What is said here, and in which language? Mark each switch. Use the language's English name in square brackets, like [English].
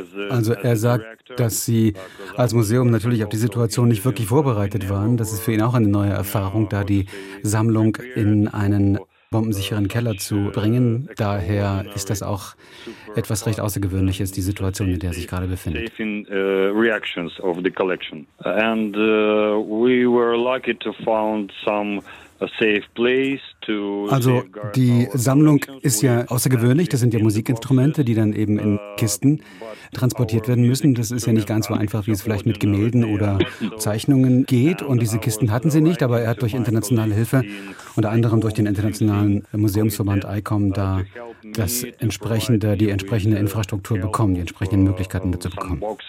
[German] Also er sagt, dass Sie als Museum natürlich auf die Situation nicht wirklich vorbereitet waren. Das ist für ihn auch eine neue Erfahrung, da die Sammlung in einen bombensicheren Keller zu bringen. Daher ist das auch etwas recht Außergewöhnliches, die Situation, in der er sich gerade befindet. [English] Reactions of the collection. And we were lucky to found some safe place to. [German] Also die Sammlung ist ja außergewöhnlich. Das sind ja Musikinstrumente, die dann eben in Kisten transportiert werden müssen. Das ist ja nicht ganz so einfach, wie es vielleicht mit Gemälden oder Zeichnungen geht. Und diese Kisten hatten sie nicht, aber er hat durch internationale Hilfe, unter anderem durch den internationalen Museumsverband ICOM, da die entsprechende Infrastruktur bekommen, die entsprechenden Möglichkeiten dazu bekommen.